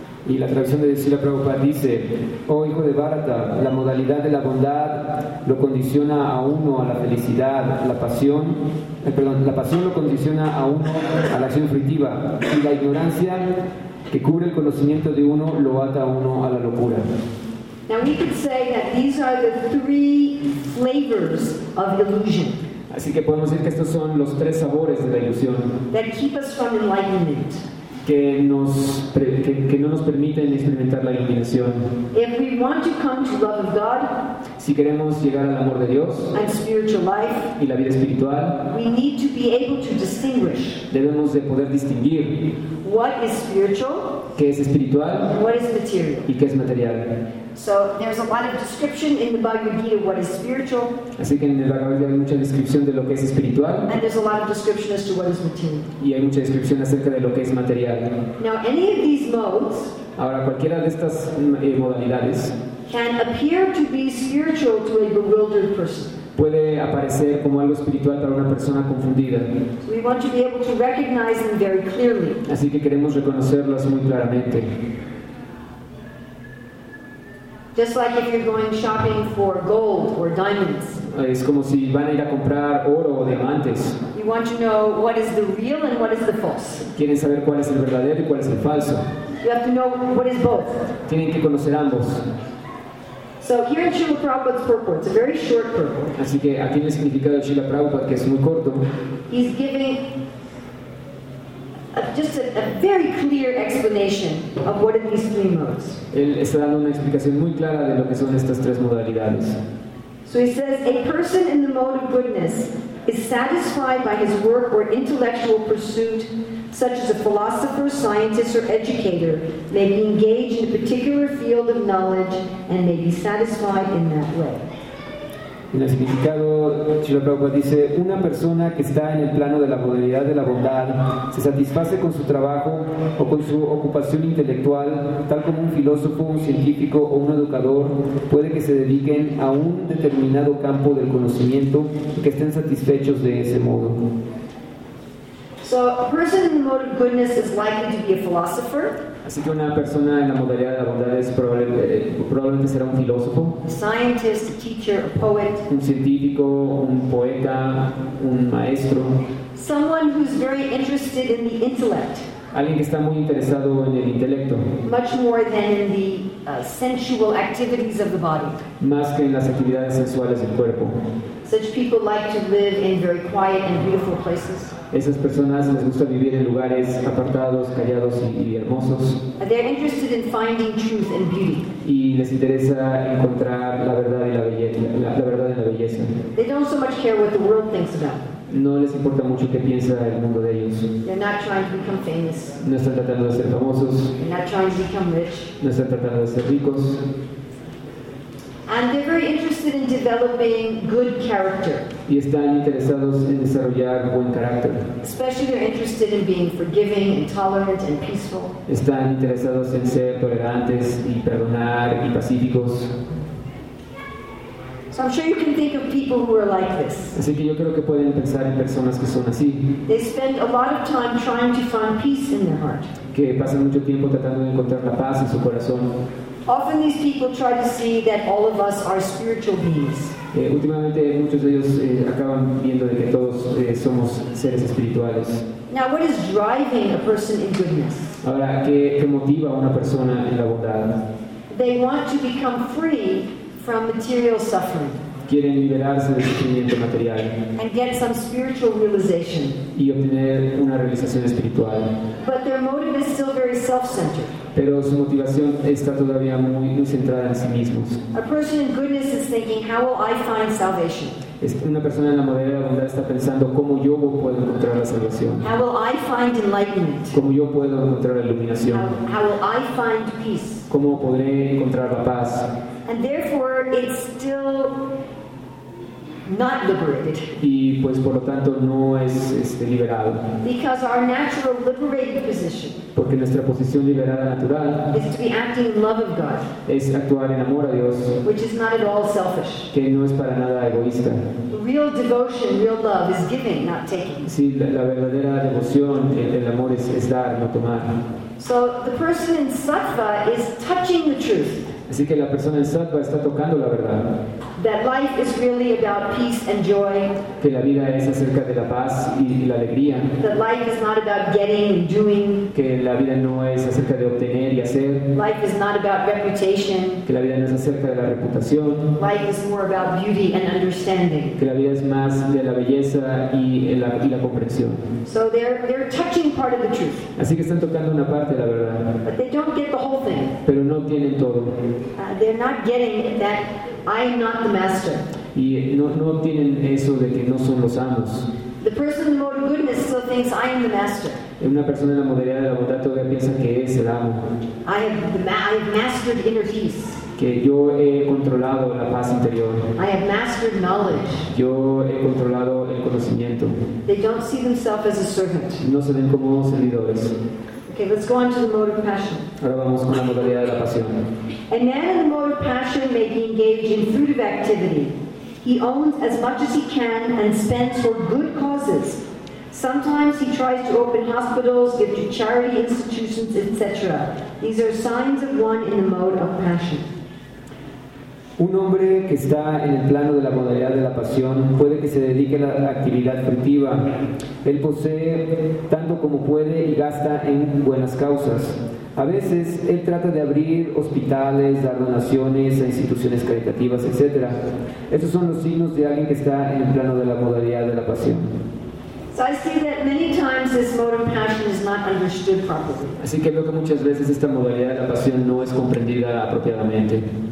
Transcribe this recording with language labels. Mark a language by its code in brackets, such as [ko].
[es] Y la traducción de Srila Prabhupada dice, oh hijo de Bharata, la modalidad de la bondad lo condiciona a uno a la felicidad, la pasión lo condiciona a uno a la acción fruitiva, y la ignorancia que cubre el conocimiento de uno lo ata a uno a la locura. [en] Now we could say that these are the three flavors of illusion. [es] Así que podemos decir que estos son los tres sabores de la ilusión. [en] That keep us from enlightenment. [es] Que no nos permiten experimentar la iluminación. [en] If we want to come to love of God, [es] si queremos llegar al amor de Dios [en] and spiritual life, [es] y la vida espiritual, [en] we need to be able to distinguish. [es] Debemos de poder distinguir [en] what is spiritual, [es] qué es espiritual, [en] what is material, [es] y qué es material. [en] So there's a lot of description in the Bhagavad Gita of what is spiritual. [es] Así que en el Bhagavad Gita hay mucha descripción de lo que es espiritual. [en] And there's a lot of description as to what is material. [es] Y hay mucha descripción acerca de lo que es material. [en] Now any of these modes. [es] Ahora cualquiera de estas modalidades. [en] can appear to be spiritual to a bewildered person. [es] Puede aparecer como algo espiritual para una persona confundida. [en] We want to be able to recognize them very clearly. [es] Así que queremos reconocerlos muy claramente. [en] Just like if you're going shopping for gold or diamonds. [es] Es como si van a ir a comprar oro o diamantes. [en] You want to know what is the real and what is the false. [es] Quieren saber cuál es el verdadero y cuál es el falso. [en] You have to know what is both. [es] Tienen que conocer ambos. [en] So here in Srila Prabhupada's purport, it's a very short purport. [es] Así que aquí en el significado de Srila Prabhupada, que es muy corto. [en] He's giving just a very clear explanation of what are these three modes. [es] Él está dando una explicación muy clara de lo que son estas tres modalidades. [en] So he says, a person in the mode of goodness is satisfied by his work or intellectual pursuit, such as a philosopher, scientist, or educator, may be engaged in a particular field of knowledge and may be satisfied in that way. [es] En el significado, Srila Prabhupada dice, una persona que está en el plano de la modalidad de la bondad se satisface con su trabajo o con su ocupación intelectual, tal como un filósofo, un científico o un educador puede que se dediquen a un determinado campo del conocimiento y que estén satisfechos de ese modo. [en] So, a person in the mode of goodness is likely to be a philosopher. [es] Así que una persona en la modalidad de la bondad es probablemente será un filósofo, [en] scientist, teacher, a poet, [es] un científico, un poeta, un maestro, [en] someone who's very interested in the intellect, [es] alguien que está muy interesado en el intelecto, [en] much more than in the sensual activities of the body, [es] más que en las actividades sensuales del cuerpo. [en] Such people like to live in very quiet and beautiful places. [es] Esas personas les gusta vivir en lugares apartados, callados y hermosos. [en] They're interested in finding truth and beauty. [es] Y les interesa encontrar la verdad y la belleza. La verdad y la belleza. [en] They don't so much care what the world thinks about. [es] No les importa mucho qué piensa el mundo de ellos. [en] They're not trying to become famous. [es] No están tratando de ser famosos. [en] They're not trying to become rich. [es] No están tratando de ser ricos. [en] And they're very interested in developing good character. [es] Y están interesados en desarrollar buen carácter. [en] Especially they're interested in being forgiving and tolerant and peaceful. [es] Están interesados en ser tolerantes y perdonar y pacíficos. [en] So I'm sure you can think of people who are like this. [es] Así que yo creo que pueden pensar en personas que son así. [en] They spend a lot of time trying to find peace in their heart. [es] Que pasan mucho tiempo tratando de encontrar la paz en su corazón. [en] Often these people try to see that all of us are spiritual beings. [es] Últimamente muchos de ellos acaban viendo de que todos somos seres espirituales. [en] Now, what is driving a person in goodness? [es] Ahora, ¿qué motiva a una persona en la bondad? [en] They want to become free from material suffering. [es] Quieren liberarse del sufrimiento material. [en] And get some spiritual realization. [es] Y obtener una realización espiritual. [en] But their motive is still very self-centered. [es] Pero su motivación está todavía muy, muy centrada en sí mismos. [en] A person in goodness is thinking, how will I find salvation? [es] Una persona en la modalidad de bondad está pensando, ¿cómo yo puedo encontrar la salvación? [en] How will I find enlightenment? [es] ¿Cómo yo puedo encontrar la iluminación? [en] How will I find peace? [es] ¿Cómo podré encontrar la paz? [en] And therefore, it's still not liberated. [es] Y pues por lo tanto no es liberado. [en] Because our natural liberated position. [es] Porque nuestra posición liberada natural. [en] Is to be acting in love of God. [es] Es actuar en amor a Dios. [en] Which is not at all selfish. [es] Que no es para nada egoísta. [en] Real devotion, real love is giving, not taking. [es] Sí, la verdadera devoción, el amor es dar, no tomar. [en] So the person in sattva is touching the truth. [es] Así que la persona en sattva está tocando la verdad. [en] That life is really about peace and joy. [es] Que la vida es acerca de la paz y la alegría. [en] That life is not about getting and doing. [es] Que la vida no es acerca de obtener y hacer. [en] Life is not about reputation. [es] Que la vida no es acerca de la reputación. [en] Life is more about beauty and understanding. [es] Que la vida es más de la belleza y la comprensión. [en] So they're touching part of the truth. [es] Así que están tocando una parte de la verdad. [en] But they don't get the whole thing. [es] Pero no tienen todo. [en] They're not getting that I am not the master. [es] Y no tienen eso de que no son los amos. [en] The person in the mode of goodness still thinks I am the master. [es] Una persona en la modalidad de la bondad todavía piensa que es el amo. [en] I have mastered inner peace. [es] Que yo he controlado la paz interior. [en] I have mastered knowledge. [es] Yo he controlado el conocimiento. [en] They don't see themselves as a servant. [es] No se ven como servidores. [en] Okay, let's go on to the mode of passion. [es] Ahora vamos con la modalidad de la pasión. [en] A man in the mode of passion may be engaged in fruitive activity. He owns as much as he can and spends for good causes. Sometimes he tries to open hospitals, give to charity institutions, etc. These are signs of one in the mode of passion. [es] Un hombre que está en el plano de la modalidad de la pasión puede que se dedique a la actividad fructiva. Él posee tanto como puede y gasta en buenas causas. A veces, él trata de abrir hospitales, dar donaciones a instituciones caritativas, etc. Esos son los signos de alguien que está en el plano de la modalidad de la pasión. [en] So I see that many times this mode of passion is not understood properly. [es] Así que veo que muchas veces esta modalidad de la pasión no es comprendida apropiadamente.